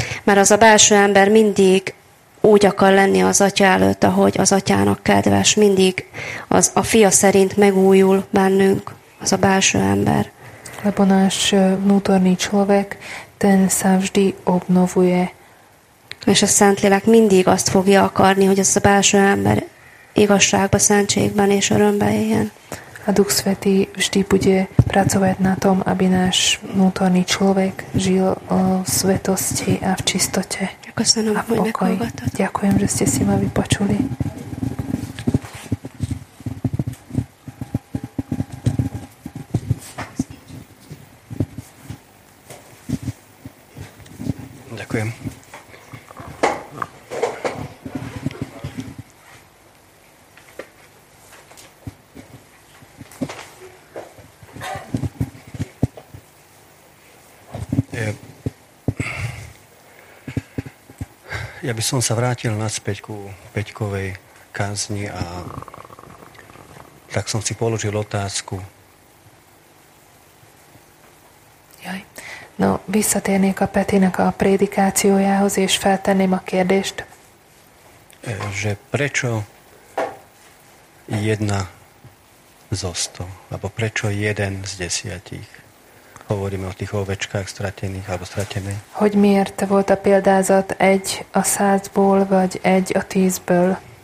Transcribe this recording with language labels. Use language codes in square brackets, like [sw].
[hu] Mert az a belső ember mindig úgy akar lenni az Atya előtt, ahogy az Atyának kedves, mindig a Fia szerint megújul bennünk. az a belső ember. [sk] Lebo náš vnútorný človek, ten sa vždy obnovuje. [hu] És a Szentlélek mindig azt fogja akarni, hogy az a belső ember igazságba, szentségben és örömbe éljen. [sk] A Duch Svätý vždy bude pracovať na tom, aby náš vnútorný človek žil o svetosti a v čistote. [hu] Köszönöm, [sk] a v pokoji. Ďakujem, že ste si ma vypočuli. Ďakujem. Ja by som sa vrátil naspäť ku Peťkovej kázni a tak som si položil otázku. Jaj. [hu] No, visszatérnék a Petinek a prédikációjához, és feltenném a kérdést. [sk] Že prečo jedna zo sto, alebo prečo jeden z desiatich? Hovoríme o tých ovečkách stratených alebo stratené. [hu] Hogy miért volt a példázat egy a százból, vagy egy a tízből?